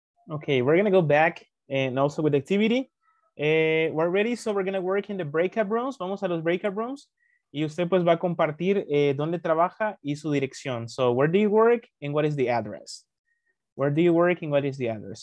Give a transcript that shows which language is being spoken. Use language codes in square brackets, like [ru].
[en] Okay, we're gonna go back and also with activity. We're ready, so we're gonna work in the breakout rooms. [es] Vamos a los breakout rooms. Y usted pues va a compartir dónde trabaja y su dirección. [en] So where do you work and what is the address? Where do you work and what is the address?